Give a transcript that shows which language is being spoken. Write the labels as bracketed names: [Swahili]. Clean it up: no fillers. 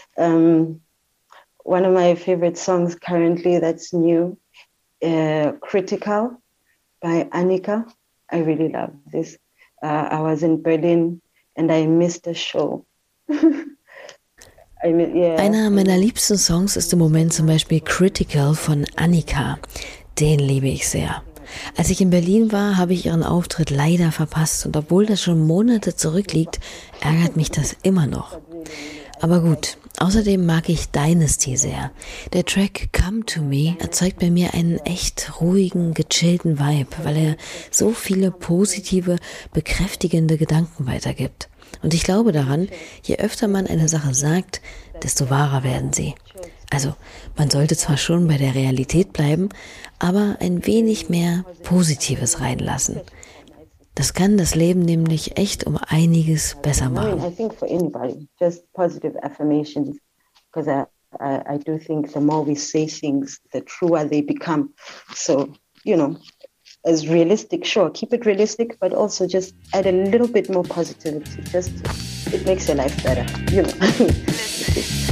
[English] One of my favorite songs currently that's new, Critical by Annika. I really love this. I was in Berlin and I missed a show. [German] Einer meiner liebsten Songs ist im Moment zum Beispiel Critical von Annika. Den liebe ich sehr. Als ich in Berlin war, habe ich ihren Auftritt leider verpasst und obwohl das schon Monate zurückliegt, ärgert mich das immer noch. Aber gut, außerdem mag ich Dynasty sehr. Der Track Come to Me erzeugt bei mir einen echt ruhigen, gechillten Vibe, weil er so viele positive, bekräftigende Gedanken weitergibt. Und ich glaube daran, je öfter man eine Sache sagt, desto wahrer werden sie. Also, man sollte zwar schon bei der Realität bleiben, aber ein wenig mehr Positives reinlassen. Das kann das Leben nämlich echt um einiges besser machen. [English] I think for anybody, just positive affirmations, because I do think the more we say things, the truer they become. So, you know, as realistic, sure, keep it realistic, but also just add a little bit more positivity. Just, it makes your life better, you know.